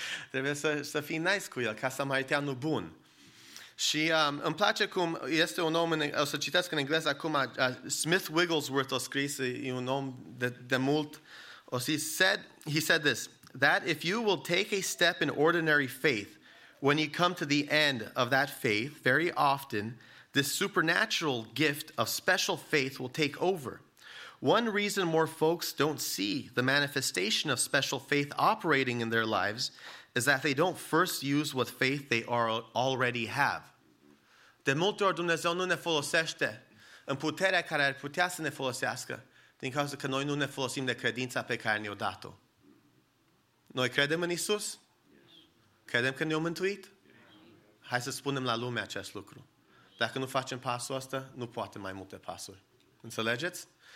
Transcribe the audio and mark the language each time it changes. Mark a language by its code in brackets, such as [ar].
[ro] Trebuie să fii nice cu el, ca samariteanul bun. Și îmi place cum este un om, o să citesc în engleză acum, Smith Wigglesworth a scris, e un om de mult, [en] he said this, that if you will take a step in ordinary faith, when you come to the end of that faith, very often this supernatural gift of special faith will take over. One reason more folks don't see the manifestation of special faith operating in their lives is that they don't first use what faith they already have. [ro] De multe ori Dumnezeu nu ne folosește în puterea care ar putea să ne folosească din cauza că noi nu ne folosim de credința pe care ne-o dat-o. Noi credem în Isus? Credem că ne-o mântuit? Hai să spunem la lume acest lucru. Dacă nu facem pasul ăsta, nu poate mai multe pasuri. Înțelegeți?